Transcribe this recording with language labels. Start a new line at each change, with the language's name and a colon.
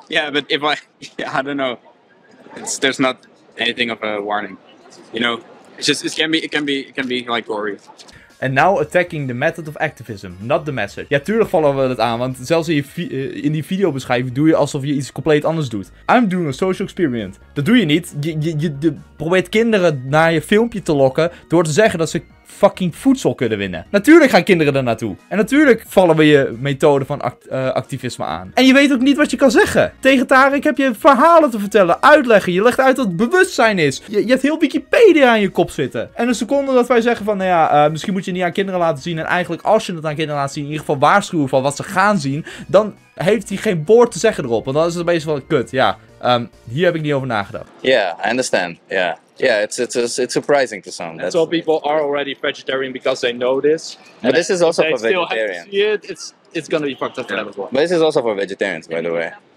English: yeah, but if I, yeah, I don't know, there's not anything of a warning, you know, it can be like gory. And now attacking the method of activism, not the message.
Dutch: Ja, tuurlijk vallen we dat aan, want zelfs in die videobeschrijving doe je alsof je iets compleet anders doet.
English: I'm doing a social experiment.
Dutch: Dat doe je niet. Je probeert kinderen naar je filmpje te lokken door te zeggen dat ze fucking voedsel kunnen winnen. Natuurlijk gaan kinderen er naartoe. En natuurlijk vallen we je methode van activisme aan. En je weet ook niet wat je kan zeggen. Tegen Tarek heb je verhalen te vertellen, uitleggen. Je legt uit wat bewustzijn is. Je hebt heel Wikipedia aan je kop zitten. En de seconde dat wij zeggen van, nou ja, misschien moet je het niet aan kinderen laten zien. En eigenlijk als je het aan kinderen laat zien, in ieder geval waarschuwen van wat ze gaan zien, dan heeft hij geen woord te zeggen erop. Want dan is het een beetje van, kut, ja. Hier heb ik niet over nagedacht.
English: Yeah, I understand, yeah. Yeah, it's surprising to some. And so people are already vegetarian because they know this. But this is also for vegetarians. They still have to see it. It's gonna be fucked up for them as well. But this is also for vegetarians, by the way.